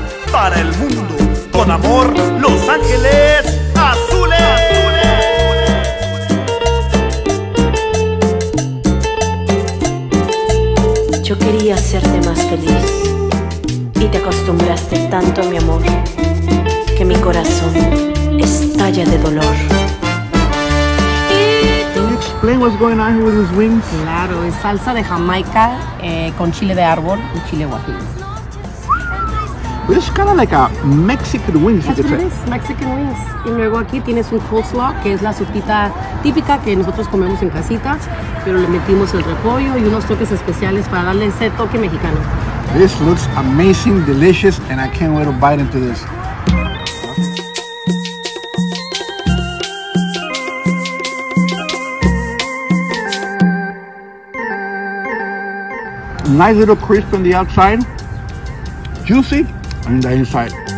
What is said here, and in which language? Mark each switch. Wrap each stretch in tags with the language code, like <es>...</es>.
<es>Para el mundo, con amor, Los Ángeles Azules. Yo quería hacerte más feliz y te acostumbraste tanto a mi amor que mi corazón estalla de dolor.</es> <en>Can you explain what's going on here with his wings?</en> <es>Claro, es salsa de Jamaica con chile de árbol y chile guajillo.</es> <en>Well, it's kind of like a Mexican wings, yes, you could say. Yes, it is, Mexican wings.</en> <es>Y luego aquí tienes un coleslaw, que es la sopita típica que nosotros comemos en casita, pero le metimos el repollo y unos toques especiales para darle ese toque mexicano.</es> <en>This looks amazing, delicious, and I can't wait to bite into this. Nice little crisp on the outside. Juicy. And the inside.</en>